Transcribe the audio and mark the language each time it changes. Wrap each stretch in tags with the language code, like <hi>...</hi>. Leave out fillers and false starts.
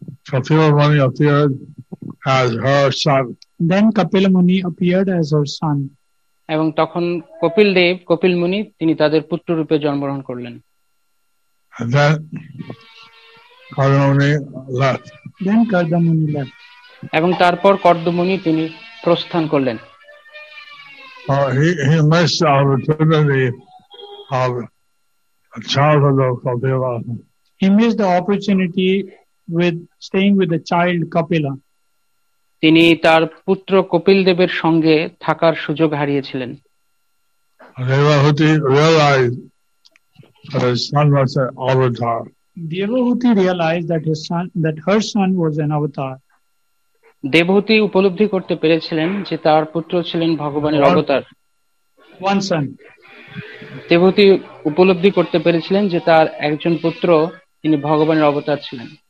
<en>Kapila Muni appeared as her son. Then Kapila Muni appeared as her son.</en> <bn>এবং তখন কপিল দেব, কপিল মুনি তিনি তাদের পুত্র রূপে জন্মগ্রহণ করলেন।</bn> <en>And then Kardamuni left. Then Kardamuni left.</en> <bn>এবং তারপর কর্দমুনি তিনি প্রস্থান করলেন।</bn> <en>He missed the opportunity of a childhood of Kapila. He missed the opportunity with staying with the child Kapila.</en> <bn>তিনি তার পুত্র কপিল দেবের সঙ্গে থাকার সুযোগ হারিয়েছিলেন।</bn> <en>Devahuti realized that his son was an avatar. Devahuti realized that his son, that her son was an avatar.</en> <bn>দেবহুতি উপলব্ধি করতে পেরেছিলেন যে তার পুত্র ছিলেন ভগবানের অবতার।</bn> <en>One son.</en> <bn>দেবহুতি উপলব্ধি করতে পেরেছিলেন যে তার একজন পুত্র তিনি ভগবানের অবতার ছিলেন।</bn>